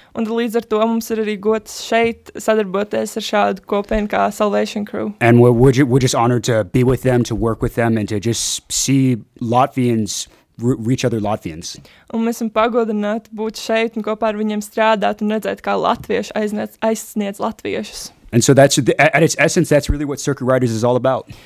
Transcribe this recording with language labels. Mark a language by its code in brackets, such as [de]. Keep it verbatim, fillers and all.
[lv] Un līdz ar to mums ir arī gods šeit sadarboties ar šādu kopienu kā Salvation Crew. [en] And we're, we're, ju- we're just honored to be with them, to work with them, and to just see Latvians re- reach other Latvians. [lv] Un mēs esam pagodināti būt šeit un kopā ar viņiem strādāt un redzēt, kā latvieši aizniec, aizsniedz latviešus. [en] And so that's, at its essence, that's really what Circuit Riders is all about.